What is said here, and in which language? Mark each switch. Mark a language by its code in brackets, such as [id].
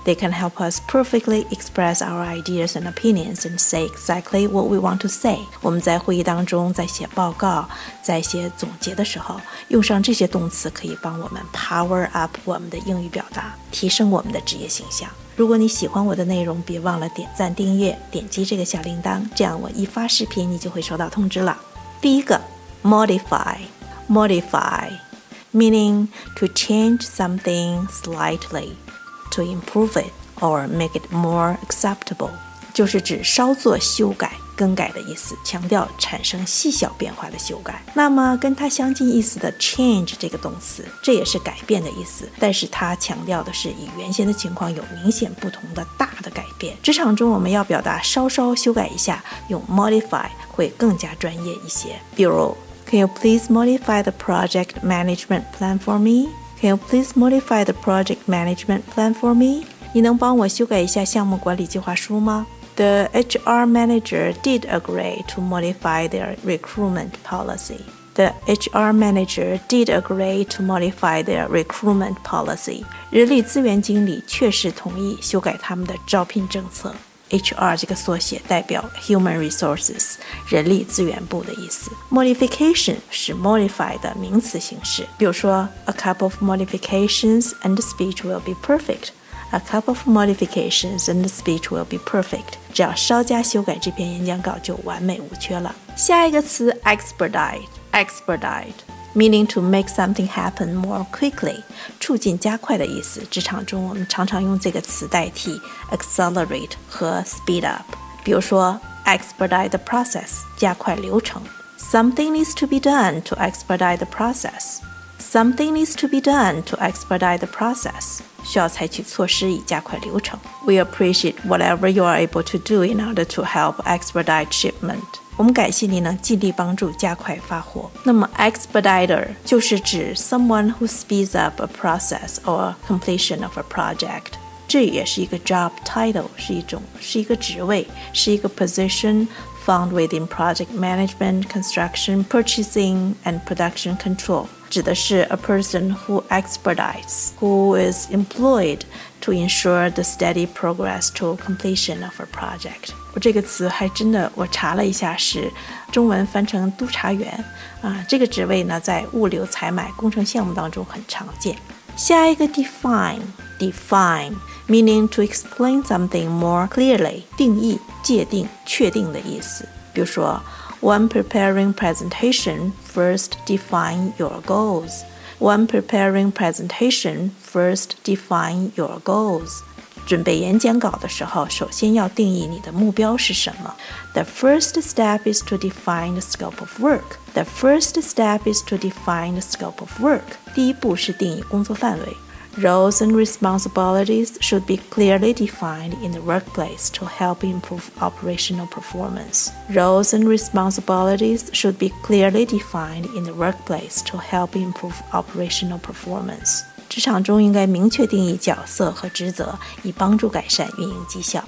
[en] They can help us perfectly express our ideas and opinions and say exactly what we want to say. [zh] 我们在会议当中，在写报告，在写总结的时候，用上这些动词可以帮我们 [en] power up [zh] 我们的英语表达，提升我们的职业形象。如果你喜欢我的内容，别忘了点赞订阅，点击这个小铃铛，这样我一发视频你就会收到通知了。第一个 [en] modify, meaning to change something slightly, to improve it, or make it more acceptable. [zh] 就是指稍作修改、更改的意思，强调产生细小变化的修改。那么跟它相近意思的 change 这个动词，这也是改变的意思，但是它强调的是与原先的情况有明显不同的大的改变。职场中我们要表达稍稍修改一下，用 modify 会更加专业一些。比如 [en] Can you please modify the project management plan for me? Can you please modify the project management plan for me? [zh] 你能帮我修改一下项目管理计划书吗？ [en] The HR manager did agree to modify their recruitment policy. The HR manager did agree to modify their recruitment policy. [zh] 人力资源经理确实同意修改他们的招聘政策。 HR 这个缩写代表 Human Resources, 人力资源部的意思。 Modification 是 modify 的名词形式。比如说 [en] ,a cup of modifications and the speech will be perfect. A cup of modifications and the speech will be perfect. [zh] 只要稍加修改这篇演讲稿就完美无缺了。下一个词 [en] expedite. Meaning to make something happen more quickly, [zh] 促进加快的意思。职场中我们常常用这个词代替 accelerate 和 speed up。比如说 [en] expedite the process, [zh] 加快流程。 [en] Something needs to be done to expedite the process. Something needs to be done to expedite the process. [zh] 需要采取措施以加快流程。 [en] We appreciate whatever you are able to do in order to help expedite shipment. [zh] 我们感谢你能尽力帮助加快发货。那么 [en] expediter [zh] 就是指 [en] someone who speeds up a process or completion of a project。 [zh] 这也是一个 [en] job title， [zh] 是一个职位，是一个 [en] position found within project management, construction, purchasing, and production control。 [zh] 指的是 [en] a person who expedites, who is employed to ensure the steady progress to completion of a project. [zh] 我这个词还真的，我查了一下，是中文翻成督查员啊。这个职位呢，在物流、采买、工程项目当中很常见。下一个 [en] define, meaning to explain something more clearly, [zh] 定义、界定、确定的意思。比如说 [en] ，When preparing presentation, first define your goals. When preparing presentation, first define your goals. [zh] 准备演讲稿的时候，首先要定义你的目标是什么。 [en] The first step is to define the scope of work. The first step is to define the scope of work. [zh] 第一步是定义工作范围。 [en] Roles and responsibilities should be clearly defined in the workplace to help improve operational performance. Roles and responsibilities should be clearly defined in the workplace to help improve operational performance. [zh] 职场中应该明确定义角色和职责，以帮助改善运营绩效。